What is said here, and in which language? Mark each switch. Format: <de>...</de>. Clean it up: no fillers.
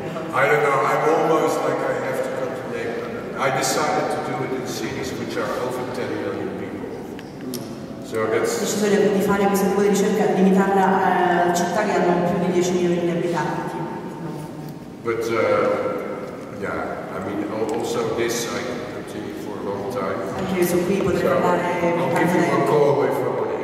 <en>I don't know, I'm almost like I have to come to Lebanon. I decided to do it in cities which are over 10 million people. So that's...</en> <it>Ho deciso di fare questo tipo di ricerca, di limitarla a città che hanno più di 10 milioni di abitanti.</it> <en>But, yeah, I mean, also this I can continue for a long time.</en> <it>Anche su qui potrei</it> <en>so,</en> <it>parlare...</it> <en>I'll give you a call away from</en>